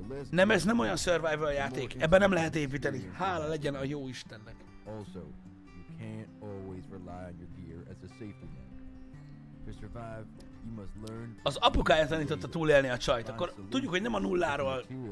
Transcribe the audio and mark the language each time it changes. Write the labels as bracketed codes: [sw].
[hu] Nem, ez nem olyan survival játék. Ebben nem lehet építeni. Hála legyen a jó Istennek. [en] Also, you can't always rely on your gear as a safety net. To survive, you must learn. [hu] Az apukája tanította túlélni a csajt. Akkor tudjuk, hogy nem a nulláról.